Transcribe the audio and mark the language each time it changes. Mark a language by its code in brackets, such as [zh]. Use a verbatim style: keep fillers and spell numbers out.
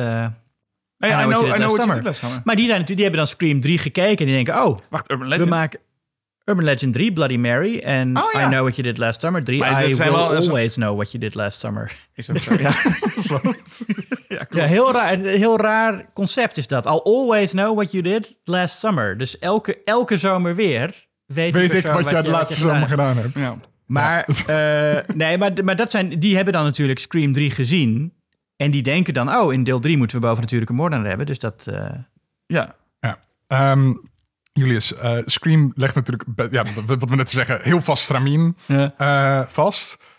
[nl] nee, [en] I, I Know, know, I know What You Did Last Summer. [nl] Maar die, zijn, die hebben dan Scream drie gekeken en die denken... oh, wacht, Urban Legend. We maken Urban Legend drie, Bloody Mary en oh, ja. I Know What You Did Last Summer. drie, [en] I Will wel, Always zo... Know What You Did Last Summer. [nl] Is ook zo, ja. ja, ja, heel raar, heel raar concept is dat. [en] I'll always know what you did last summer. [nl] Dus elke, elke zomer weer weet, weet ik wat jij de laatste zomer gedaan hebt. Ja. Maar, ja. uh, nee, maar, maar dat zijn, die hebben dan natuurlijk Scream drie gezien. En die denken dan, oh, in deel drie moeten we boven natuurlijk een moordenaar hebben. Dus dat, uh, ja. ja. Um, Julius, uh, Scream legt natuurlijk, be- ja, wat we net zeggen, heel vast stramien ja. uh, vast.